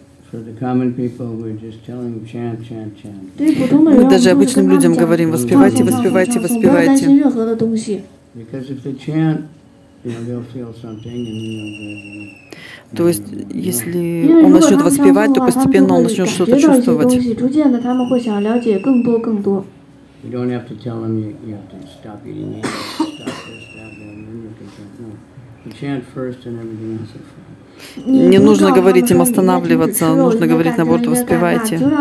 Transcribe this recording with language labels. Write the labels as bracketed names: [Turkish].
[English] For the common people, we're just telling them, chant, chant, chant. [Russian] Мы даже обычным людям говорим, воспевайте, воспевайте, воспевайте. [English] Because if they chant, you know, they'll feel something, and you know, [Russian] то есть, если он начнет воспевать, то постепенно он начнет что-то чувствовать. [English] You don't have to tell them, you have to stop eating it, stop this, stop that, and then you can chant. No. You chant first, and everything else will follow. [Russian] Не нужно говорить им останавливаться, нужно говорить наоборот, воспевайте.